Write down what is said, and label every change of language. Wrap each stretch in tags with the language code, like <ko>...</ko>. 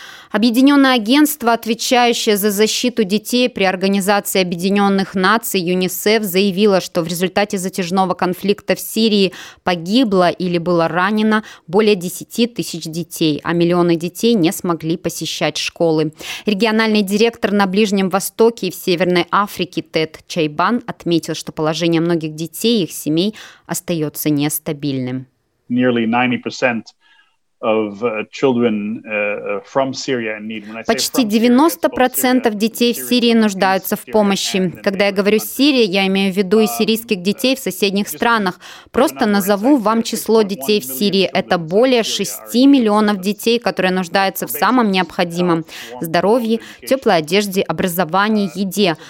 <ru>Объединенное агентство, отвечающее за защиту детей при Организации Объединенных Наций ЮНИСЕФ, заявило, что в результате затяжного конфликта в Сирии погибло или было ранено более 10 тысяч детей, а миллионы детей не смогли посещать школы. Региональный директор на Ближнем Востоке и в Северной Африке Тед Чайбан отметил, что положение многих детей и их семей остается нестабильным.</ru> <en>Nearly 90% of children from Syria in need.</en> <ru>Почти 90% детей в Сирии нуждаются в помощи. Когда я говорю «Сирия», я имею в виду и сирийских детей в соседних странах. Просто назову вам число детей в Сирии. Это более 6 миллионов детей, которые нуждаются в самом необходимом – здоровье, теплой одежде, образовании, еде.</ru>